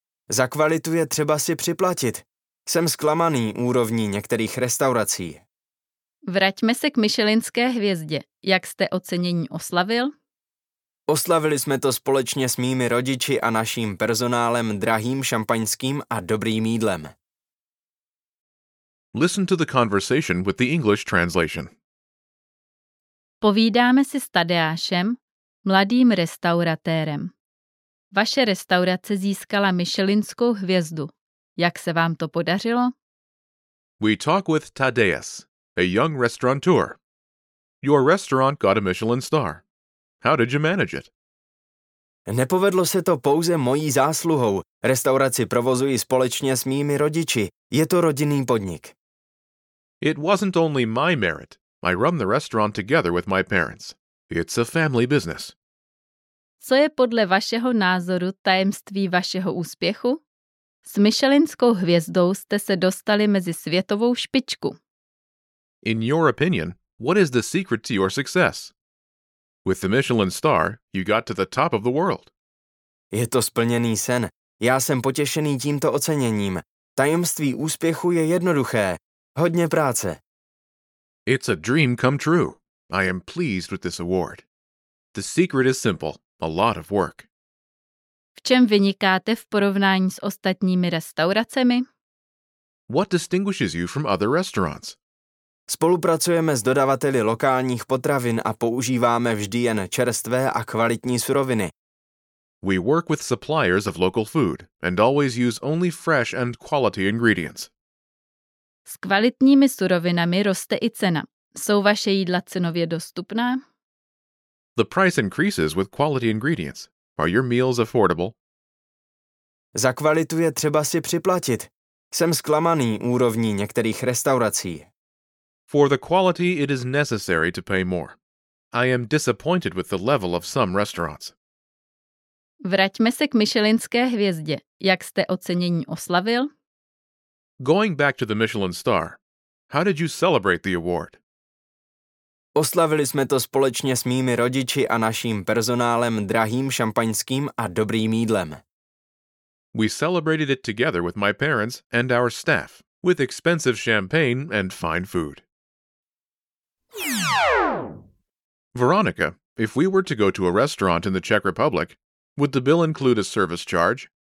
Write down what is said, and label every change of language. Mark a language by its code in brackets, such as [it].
[cs] Za kvalitu je třeba si připlatit. Jsem zklamaný úrovní některých restaurací. Vraťme se k Michelinské hvězdě. Jak jste ocenění oslavil? Oslavili jsme to společně s mými rodiči a naším personálem drahým šampaňským a dobrým jídlem. [en] Listen to the conversation with the English translation. [cs] Povídáme si s Tadeášem, mladým restauratérem. Vaše restaurace získala Michelinskou hvězdu. Jak se vám to podařilo? [en] We talk with Tadeáš, a young restaurateur. Your restaurant got a Michelin star. How did you manage it? [cs] Nepovedlo se to pouze mojí zásluhou. Restauraci provozuji společně s mými rodiči. Je to rodinný podnik. [en] It wasn't only my merit. I run the restaurant together with my parents. It's a family business. [cs] Co je podle vašeho názoru tajemství vašeho úspěchu? S Michelinskou hvězdou jste se dostali mezi světovou špičku. [en] In your opinion, what is the secret to your success? With the Michelin star, you got to the top of the world. [cs] Je to splněný sen. Já jsem potěšený tímto oceněním. Tajemství úspěchu je jednoduché. Hodně práce. [en] It's a dream come true. I am pleased with this award. The secret is simple, a lot of work. [cs] V čem vynikáte v porovnání s ostatními restauracemi? [en] What distinguishes you from other restaurants? [cs] Spolupracujeme s dodavateli lokálních potravin a používáme vždy jen čerstvé a kvalitní suroviny. [en] We work with suppliers of local food and always use only fresh and quality ingredients. [cs] S kvalitními surovinami roste i cena. Jsou vaše jídla cenově dostupná? [en] The price increases with quality ingredients. Are your meals affordable? [cs] Za kvalitu je třeba si připlatit. Jsem zklamaný úrovní některých restaurací. [en] For the quality it is necessary to pay more. I am disappointed with the level of some restaurants. [cs] Vraťme se k Michelinské hvězdě. Jak jste ocenění oslavil? [en] Going back to the Michelin star, how did you celebrate the award? [cs] Oslavili jsme to společně s mými rodiči a naším personálem drahým šampaňským a dobrým jídlem. [en] We celebrated it together with my parents and our staff, with expensive champagne and fine food. Veronica, if we were to go to a restaurant in the Czech Republic, would the bill include a service charge?